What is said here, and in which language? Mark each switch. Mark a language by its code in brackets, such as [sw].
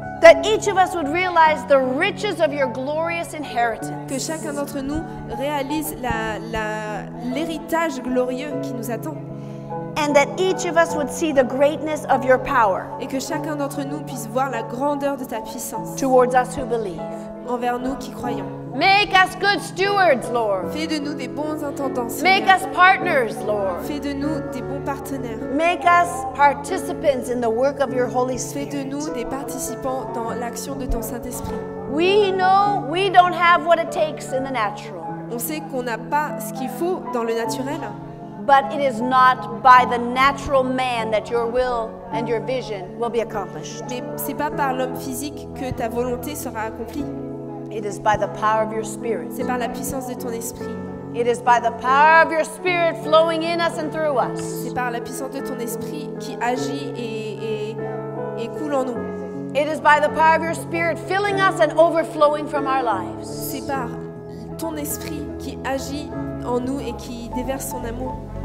[en] That each of us would realize the riches of your glorious inheritance. [fr] Que chacun d'entre nous réalise l'héritage glorieux qui nous attend. [en] And that each of us would see the greatness of your power. [fr] Et que chacun d'entre nous puisse voir la grandeur de ta puissance. [en] Towards us who believe. [fr] Envers nous qui croyons. [en] Make us good stewards, Lord. [fr] Fais de nous des bons intendants, Seigneur. [en] Make us partners, Lord. [fr] Fais de nous des bons partenaires. [en] Make us participants in the work of your Holy Spirit. [fr] Fais de nous des participants dans l'action de ton Saint-Esprit. [en] We know we don't have what it takes in the natural. [fr] On sait qu'on n'a pas ce qu'il faut dans le naturel. [en] But it is not by the natural man that your will and your vision will be accomplished. [fr] Mais c'est pas par l'homme physique que ta volonté sera accomplie. [en] It is by the power of your spirit. [fr] C'est par la puissance de ton esprit. [en] It is by the power of your spirit flowing in us and through us. [fr] C'est par la puissance de ton esprit qui agit et coule en nous. [en] It is by the power of your spirit filling us and overflowing from our lives. [fr] C'est par ton esprit qui agit en nous et qui déverse son amour.